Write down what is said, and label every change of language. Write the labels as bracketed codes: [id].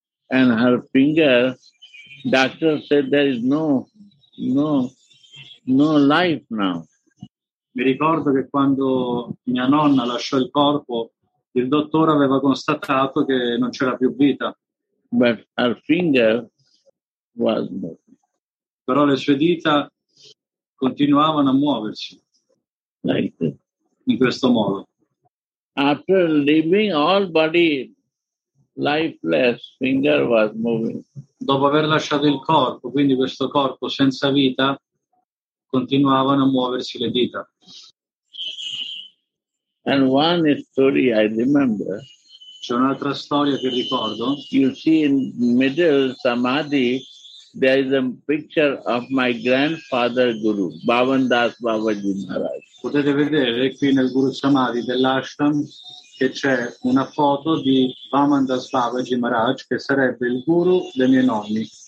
[en] And her finger, doctor said there is no life now. [it] Mi ricordo che quando mia nonna lasciò il corpo, il dottore aveva constatato che non c'era più vita. [en] But her finger was moving. [it] Però le sue dita continuavano a muoversi. [en] Like that. [it] In questo modo. [en] After leaving all body lifeless, finger was moving. [it] Dopo aver lasciato il corpo, quindi questo corpo senza vita, continuavano a muoversi le dita. [en] And one story I remember. [it] C'è un'altra storia che ricordo. [en] You see in middle samadhi there is a picture of my grandfather guru, Bhavandas Babaji Maharaj. [it] Potete vedere qui nel Guru Samadhi dell'ashram che c'è una foto di Bhavandas Babaji Maharaj, che sarebbe il guru dei miei nonni.